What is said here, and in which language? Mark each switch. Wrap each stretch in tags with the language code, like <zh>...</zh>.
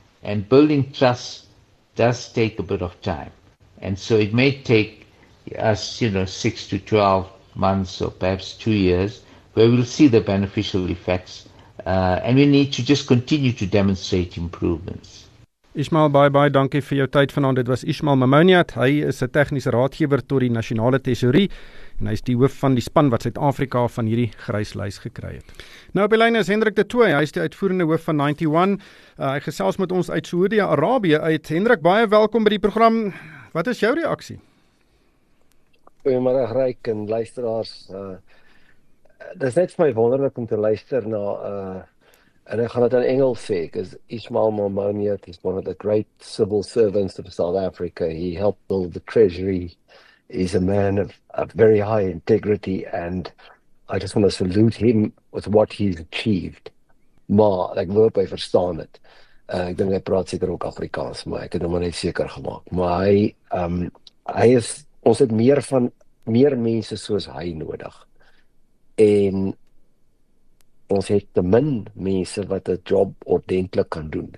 <en>And building trust does take a bit of time. And so it may take us, 6 to 12 months or perhaps 2 years, where we'll see the beneficial effects. And we need to just continue to demonstrate improvements. Ismail, bye-bye.</en> <af>Dankie vir jou tyd vanaand. Dit was Ismail Mamoniat. Hy is 'n tegniese raadgewer tot die nasionale tesorie. En hy is die hoof van die span wat Suid-Afrika van hierdie gryslys gekry het. Nou op die lyn is Hendrik de Tooy. Hy is die uitvoerende hoof van 91. Hy gesels met ons uit Saudi-Arabië uit. Hendrik, baie welkom by die program. Wat is jou reaksie? Goeiemôre, Ryk en luisteraars. Dit is net vir my wonderlik om te luister na... En ek gaan dit in Engels sê,</af> <en>because Ismail Mamoniat is one of the great civil servants of South Africa. He helped build the treasury. He's a man of very high integrity, and I just want to salute him with what he's achieved.</en> <af>Maar, ek wil op hy verstaan het. Ek denk hy praat seker ook Afrikaans, maar ek het hom net seker gemaakt. Maar hy is, ons het meer mense soos hy nodig. En ons het te min mense wat 'n job ordentlik kan doen.</af>